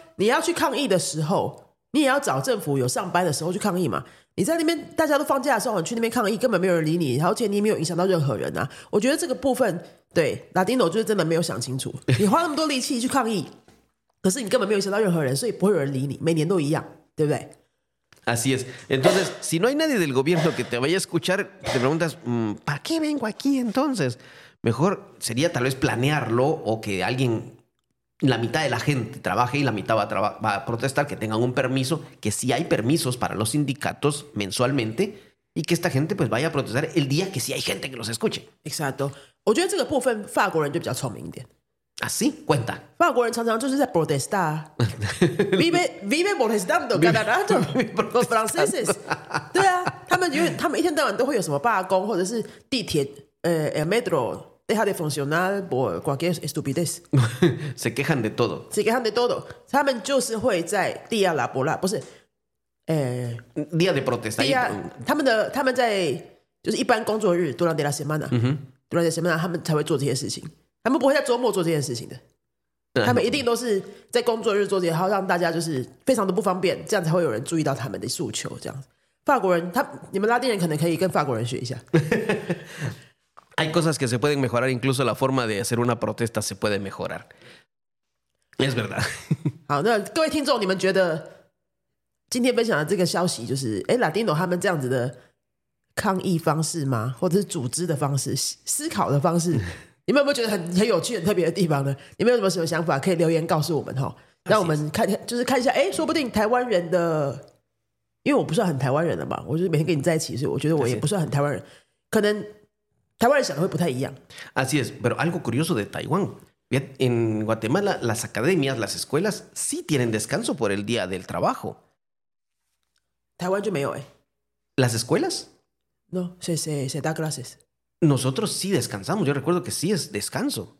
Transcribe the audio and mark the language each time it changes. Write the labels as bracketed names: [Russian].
[Chinese] 你要去抗议的时候，你也要找政府有上班的时候去抗议嘛。你在那边大家都放假的时候你去那边抗议根本没有人理你，而且你也没有影响到任何人啊。我觉得这个部分对 Latino 就是真的没有想清楚，你花那么多力气去抗议可是你根本没有影响到任何人，所以不会有人理你，每年都一样，对不对？ [Spanish] Así es. Entonces, si no hay nadie del gobierno que te vaya a escuchar, te preguntas, ¿para qué vengo aquí entonces? Mejor sería tal vez planearlo o que alguien, la mitad de la gente trabaje y la mitad va a protestar, que tengan un permiso, que sí hay permisos para los sindicatos mensualmente y que esta gente pues vaya a protestar el día que sí hay gente que los escuche. Exacto. Yo creo que esta parte, los franceses son más inteligentes. Así, cuenta. Franceses [Chinese] 常常就是在 [Spanish] protestar. Vive molestando cada rato. Los franceses. [Chinese] 对啊，他们因为他们一天到晚都会有什么罢工，或者是地铁 [Spanish] el metro deja de funcionar por cualquier estupidez. [Chinese] Se quejan de todo. Se quejan de todo. 他们就是会在 [Spanish] día laboral, [Chinese] 不是 [Spanish] día de protesta. [Chinese] Día, 他们在就是一般工作日 [Spanish] durante la semana, durante la semana [Chinese] 他们才会做这些事情。他们不会在周末做这件事情的，他们一定都是在工作日做这些，然后让大家就是非常的不方便，这样才会有人注意到他们的诉求。这样，法国人，你们拉丁人可能可以跟法国人学一下。 [Spanish] Hay cosas que se pueden mejorar, incluso la forma de hacer una protesta se puede mejorar. Es verdad. [Chinese] 好，那各位听众，你们觉得今天分享的这个消息，就是拉丁人他们这样子的抗议方式吗？或者是组织的方式、思考的方式？你们有没有觉得 很有趣很特别的地方呢？你们有什么想法可以留言告诉我们，让我们 看一下，说不定台湾人的，因为我不算很台湾人了吧，我就每天跟你在一起，所以我觉得我也不算很台湾人，可能台湾人想的会不太一样。 [Spanish] Así es, pero algo curioso de Taiwán, en Guatemala las academias, las escuelas sí tienen descanso por el día del trabajo. [Chinese] 台湾就没有 [Spanish] Las escuelas? No, se da clases. Nosotros sí descansamos. Yo recuerdo que sí es descanso.